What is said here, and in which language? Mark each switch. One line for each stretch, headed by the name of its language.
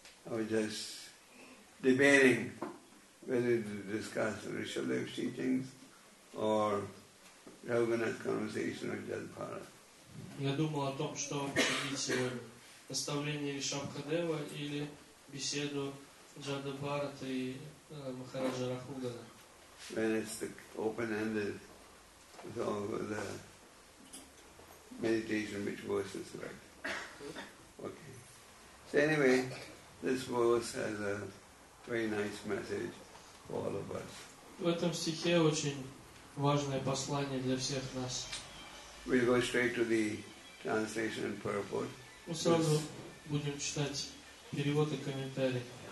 English: We're just debating whether to discuss Rishabdev's teachings or Raghunath's conversation with Jadupara.
Russian: Я думал о том, что обсудить сегодня: наставление Ришабхадева или беседу Джадабхараты и Махараджа Рахугана.
English: When it's the open-ended with all the meditation which verse is right. Okay. So anyway, this verse has a very nice message for all of us.
Russian: В этом стихе очень важное послание для всех нас.
English: We go straight to the translation and purport.
Russian: Мы сразу будем читать перевод и комментарий.